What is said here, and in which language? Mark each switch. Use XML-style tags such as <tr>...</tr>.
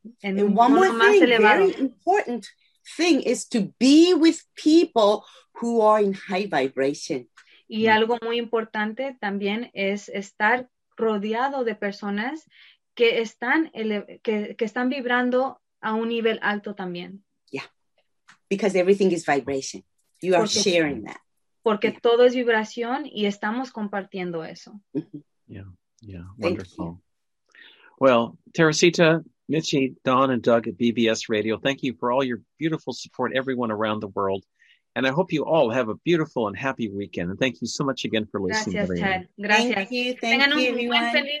<en>Very important thing is to be with people who are in high vibration.</en> <es>Y algo muy importante también es estar rodeado de personas que están vibrando a un nivel alto también.</es> <en>Yeah, because everything is vibration. You are sharing that.</en> <es>Porque todo es vibración y estamos compartiendo eso.</es> <en>Yeah, wonderful. Well, Teresita, Michi, Don, and Doug at BBS Radio, thank you for all your beautiful support, everyone around the world. And I hope you all have a beautiful and happy weekend. And thank you so much again for listening.</en> <es>Gracias,</es> <en>everyone.</en> <es>Ted. Gracias.</es> <en>Thank you, everyone.</en> <es>Feliz,</es>